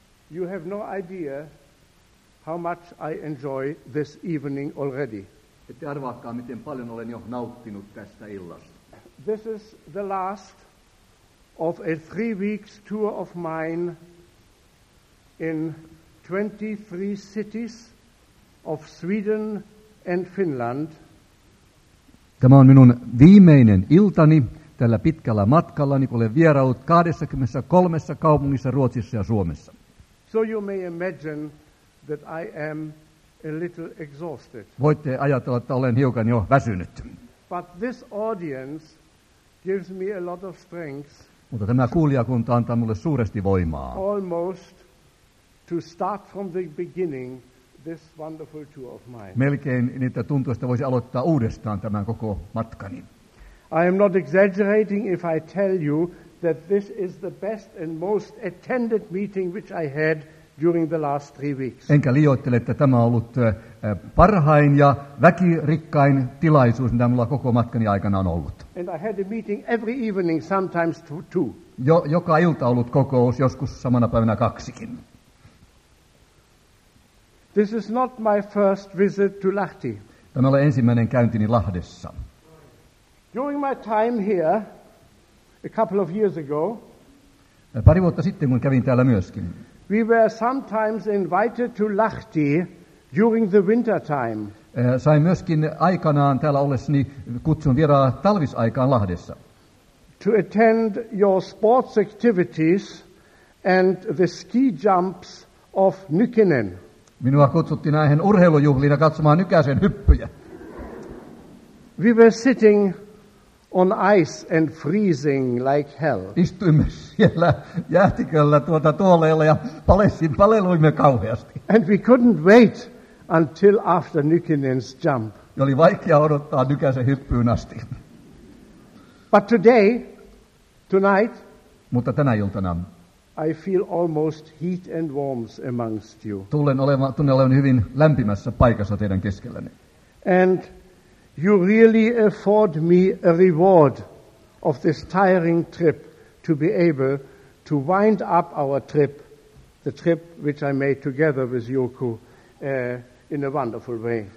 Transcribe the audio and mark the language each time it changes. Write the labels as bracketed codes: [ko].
[en] you have no idea how much I enjoy this evening already. [fi] Ette arvaakaan, miten paljon olen jo nauttinut tästä illasta. [en] This is the last of a 3 weeks tour of mine in 23 cities of Sweden and Finland. [fi] Tämä on minun viimeinen iltani tällä pitkällä matkalla, niin olen vieraillut 23 kaupungissa Ruotsissa ja Suomessa. [en] So you may imagine that I am a little exhausted. [fi] Voitte ajatella, että olen hiukan jo väsynyt. [en] But this audience gives me a lot of strength. [fi] Mutta tämä kuulijakunta antaa minulle suuresti voimaa. [en] Almost to start from the beginning this wonderful tour of mine. [fi] Melkein niitä tuntuu, että voisi aloittaa uudestaan tämän koko matkani. [en] I am not exaggerating if I tell you that this is the best and most attended meeting which I had during the last 3 weeks. [fi] Enkä liioittele, että tämä on ollut parhain ja väkirikkain tilaisuus, mitä minulla koko matkani aikana on ollut. [en] And I had a meeting every evening, sometimes two. [fi] Joka ilta ollut kokous, joskus samana päivänä kaksikin. [en] This is not my first visit to Lahti. [fi] Tämä on ensimmäinen käyntini Lahdessa. [en] During my time here, a couple of years ago, [fi] pari vuotta sitten, kun kävin täällä myöskin, [en] we were sometimes invited to Lahti during the winter time. [fi] Sain myöskin aikanaan täällä ollessani kutsun vieraa talvisaikaan Lahdessa. [en] To attend your sports activities and the ski jumps of Nykänen. [fi] Minua kutsuttiin näihin urheilujuhliin ja katsomaan Nykäsen hyppyjä. [en] We were sitting on ice and freezing like hell. [fi] Istuimme siellä jäätiköllä tuoleilla ja paleluimme kauheasti. [en] And we couldn't wait until after Nykänen's jump. [fi] Oli vaikea odottaa Nykäsen hyppyyn asti. [en] But today, tonight, [fi] mutta tänä iltana, [en] I feel almost heat and warmth amongst you. [fi] Tunnen olevan hyvin lämpimässä paikassa teidän keskelläni. [en] And you really afford me a reward of this tiring trip to be able to wind up our trip, the trip which I made together with Joku, in a wonderful way.